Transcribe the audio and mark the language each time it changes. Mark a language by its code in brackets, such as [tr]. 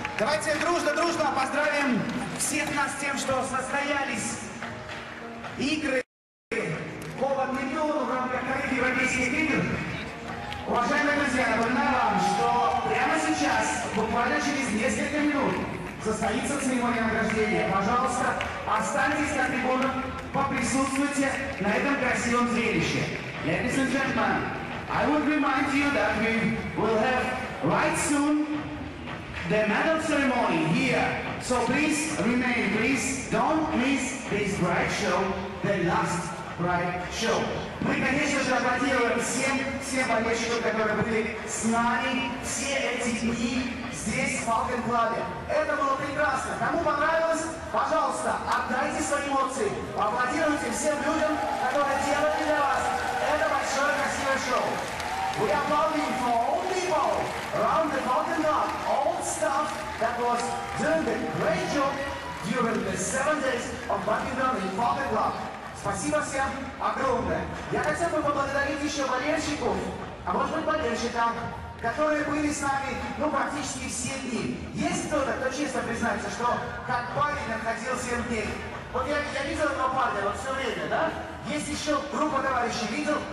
[ru] Давайте дружно-дружно поздравим всех нас с тем, что состоялись игры «Холод Нептуна» в рамках «Холод Нептуна» Европейских игр. Уважаемые друзья, напоминаю вам, что прямо сейчас, буквально через несколько минут, состоится церемония награждения. Пожалуйста, останьтесь на трибунах, поприсутствуйте на этом красивом зрелище. [en] Ladies and gentlemen, I would remind you that we will have right soon the medal ceremony here. So please remain, please don't miss this bright show, the last bright show. [ru] Мы, конечно же, аплодируем всем болельщикам, которые были с нами все эти дни здесь, в Falcon Club. Это было прекрасно. Кому понравилось, пожалуйста, отдайте свои эмоции. Аплодируйте всем людям, которые делали для вас это большое красивое шоу. [en] We are applauding for all people around the Falcon Club, all staff that was doing the great job during the 7 days of Buckingham in Falcon Club. [ru] Спасибо всем огромное. Я хотел бы поблагодарить еще болельщиков, а может быть болельщикам, которые были с нами, ну, практически все дни. Есть кто-то, кто честно признается, что как парень отходил 7 дней. Вот я видел этого парня вот все время, да? Есть еще группа товарищей, видел?